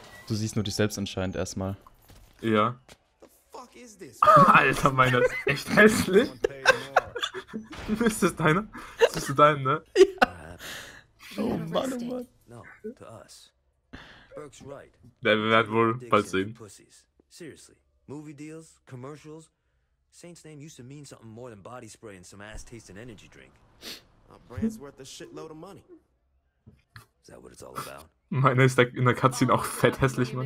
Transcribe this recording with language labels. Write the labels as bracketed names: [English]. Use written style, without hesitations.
[German] Du siehst nur dich selbst anscheinend erstmal. Ja. Alter, meine, das ist echt hässlich. Ist das deine? Das bist du dein, ne? Ja. Oh Mann, oh Mann. [English] No, to us. [German] Ja, wir werden wohl bald sehen. [English] Seriously, movie deals, commercials. Saints name used to mean something more than body spray and some ass tasting energy drink. Our brand's worth a shitload of money. Is that what it's all about? [German] Meine ist in der Cutscene auch fett hässlich, Mann.